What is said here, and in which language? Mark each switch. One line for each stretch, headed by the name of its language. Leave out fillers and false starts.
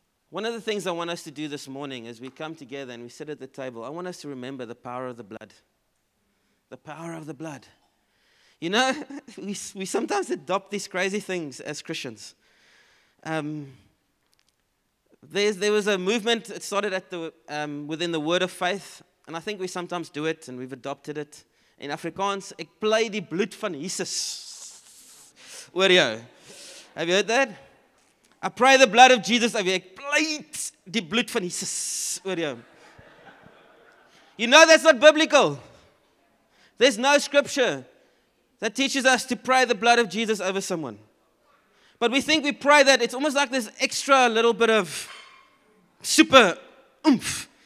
English: One of the things I want us to do this morning, as we come together and we sit at the table, I want us to remember the power of the blood. The power of the blood. You know, we sometimes adopt these crazy things as Christians. There was a movement that started at the within the Word of Faith, and I think we sometimes do it, and we've adopted it. In Afrikaans,
Afrikaans: ek pleit die bloed van Jesus oor jou.
English: Have you heard that? I pray the blood of Jesus over you.
Afrikaans: Ek pleit die bloed van Jesus oor jou.
English: You know that's not biblical. There's no scripture that teaches us to pray the blood of Jesus over someone. But we think we pray that, it's almost like this extra little bit of super oomph.